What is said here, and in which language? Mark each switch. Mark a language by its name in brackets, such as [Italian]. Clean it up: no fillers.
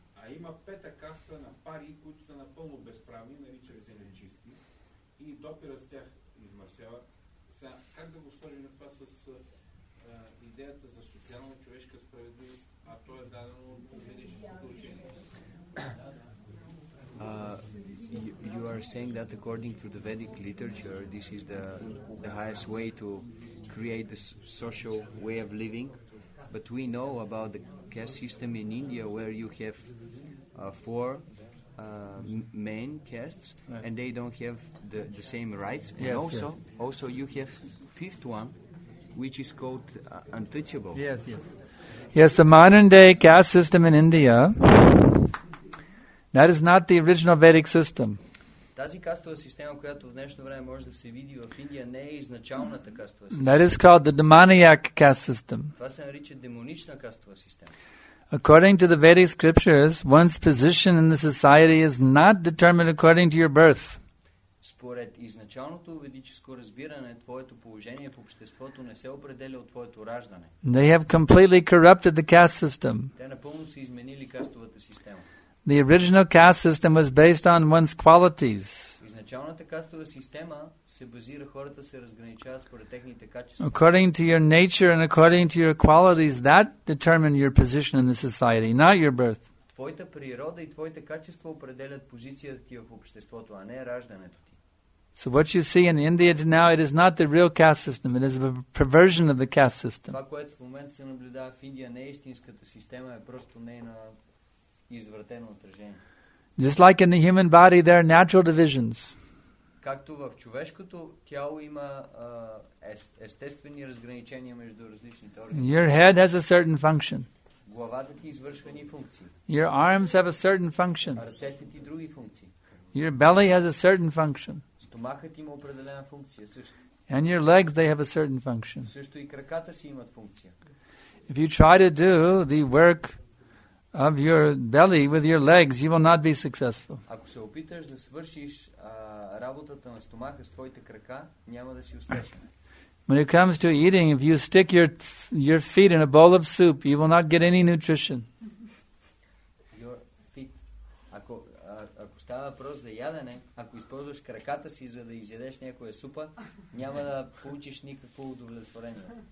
[Bulgarian] А има пета каста на пари, които са напълно безправни, наричали се нечисти, и допира с тях измърсява. Сега, как да го сложим това с идеята за социална човешка справедливост, а то е дадено от ведическото учение? [English] You are saying that according to the Vedic literature, this is the highest way to create a social way of living. But we know about the caste system in India, where you have four main castes, right, and they don't have the same rights. Yes, and also you have fifth one, which is called untouchable. Yes, yes. Yes, the modern-day caste system in India, that is not the original Vedic system. [Bulgarian] Тази кастова система, която в днешно време може да се види в Индия, не е изначалната кастова система. [English] That is called the demoniac caste system. [Bulgarian] Това се нарича демонична кастова система. [English] According to the Vedic scriptures, one's position in the society is not determined according to your birth. [Bulgarian] Според изначалното ведическо разбиране, твоето положение в обществото не се определя от твоето раждане. [English] They have completely corrupted the caste system. [Bulgarian] Те напълно са изменили кастовата система. [English] The original caste system was based on one's qualities. [Bulgarian] Изначалната кастова система се базира, хората се разграничават според техните качества. [English] According to your nature and according to your qualities, that determined your position in the society, not your birth. [Bulgarian] Твоята природа и твоите качества определят позицията ти в обществото, а не раждането ти. [English] So what you see in India now, it is not the real caste system, it is a perversion of the caste system. [Bulgarian] Това, което в момента се наблюдава в Индия, не е истинската система, е просто нейна извратено отражение. [English] Just like in the human body, there are natural divisions. [Bulgarian] Както в човешкото тяло има естествени разграничения между различните органи. [English] Your head has a certain function. [Bulgarian] Главата ти извършва едни функции. [English] Your arms have a certain function. [Bulgarian] Ръцете ти други функции. [English] Your belly has a certain function. [Bulgarian] Стомахът има определена функция също. [English] And your legs, they have a certain function. [Bulgarian] Също и краката си имат функция. [English] If you try to do the work of your belly with your legs, you will not be successful. [Bulgarian] Ако се опиташ да свършиш работата на стомаха с твоите крака, няма да си успешен. [English] When it comes to eating, if you stick your feet in a bowl of soup, you will not get any nutrition. Your feet. [Bulgarian] Ако става въпрос за ядене, ако използваш краката си за да изядеш някоя супа, няма да получиш никакво удовлетворение.